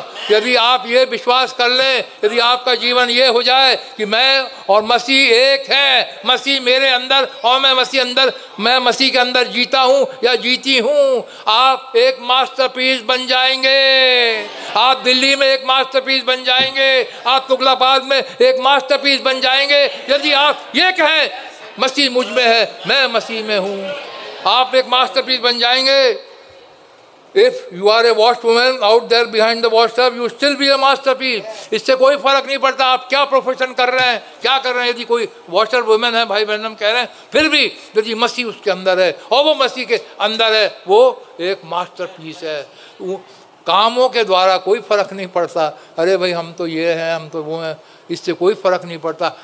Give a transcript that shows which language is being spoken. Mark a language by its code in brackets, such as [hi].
[hi] यदि आप ये विश्वास कर लें, यदि आपका जीवन ये हो जाए कि मैं और मसीह एक हैं, मसीह मेरे अंदर और मैं मसीह अंदर, मैं मसीह के अंदर जीता हूँ या जीती हूँ, आप एक मास्टरपीस बन जाएंगे। आप दिल्ली में एक मास्टरपीस बन जाएंगे, आप तुगलकाबाद में एक मास्टरपीस बन जाएंगे। यदि आप ये कहें मसीह मुझ में है, मैं मसीह में हूँ, आप एक मास्टरपीस बन जाएंगे। [en] If you are a washed woman out there behind the wash tub, you still be a masterpiece. [hi] इससे कोई फर्क नहीं पड़ता आप क्या प्रोफेशन कर रहे हैं, क्या कर रहे हैं। यदि कोई वॉशर वुमेन है, भाई बहन हम कह रहे हैं, फिर भी यदि मसीह उसके अंदर है और वो मसीह के अंदर है, वो एक masterpiece है। कामों के द्वारा कोई फर्क नहीं पड़ता, अरे भाई हम तो ये हैं हम तो वो हैं, इससे कोई फर्क नहीं पड़ता।